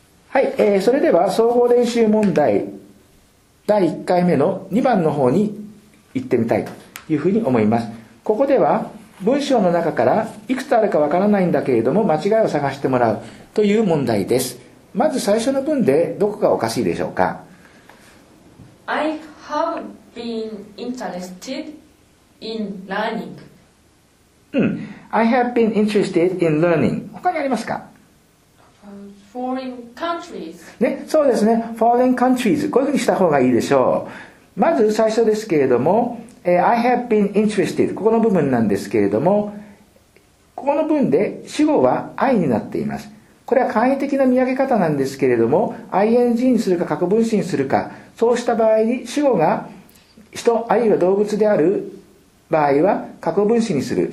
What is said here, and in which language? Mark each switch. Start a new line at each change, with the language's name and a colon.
Japanese: はい、それでは総合練習問題第1回目の2番の方に行ってみたいというふうに思います。ここでは文章の中からいくつあるかわからないんだけれども間違いを探してもらうという問題です。まず最初の文でどこがおかしいでしょうか。
English: I have been interested in learning、 I have been interested in learning。
Japanese: 他にありますか。
English: Foreign countries、
Japanese: ね、そうですね、
English: Foreign countries、
Japanese: こういうふうにした方がいいでしょう。まず最初ですけれども、
English: I have been interested、
Japanese: ここの部分なんですけれども、ここの文で主語は I になっています。これは簡易的な見分け方なんですけれども、 ING にするか過去分詞にするか、そうした場合に主語が人あるいは動物である場合は過去分詞にする。